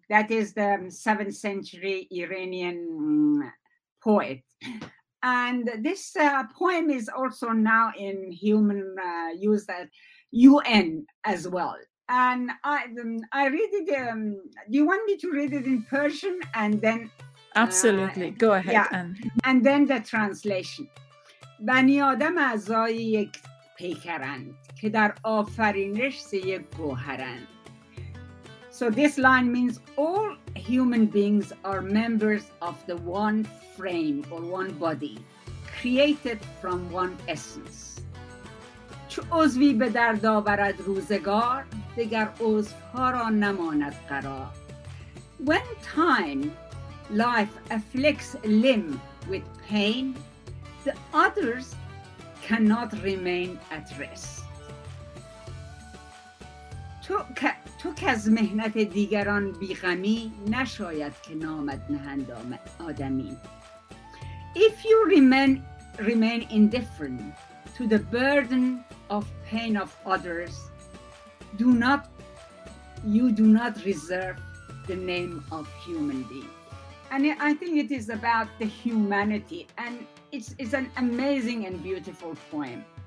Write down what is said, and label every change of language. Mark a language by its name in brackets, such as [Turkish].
[English] That is the 7th century Iranian poet. And this poem is also now in human use at UN as well. And I read it. Do you want me to read it in Persian and then? Absolutely. Go ahead. Yeah. And then the translation. [Persian] بنی آدم اعضای یک پیکرند که در آفرینش سی یک گوهرند. [English] So this line means all human beings are members of the one frame or one body, created from one essence. [Persian] چو عضوی به درد آورد روزگار دیگر عضو ها را نماند قرار. [English] When time, life afflicts limb with pain, the others cannot remain at rest. [Persian] تو که از مهنت دیگران بیغمی نشاید که نامت نهند آدمی. [English] If you remain indifferent to the burden of pain of others, you do not reserve the name of human being. And I think it is about the humanity, and it's an amazing and beautiful poem.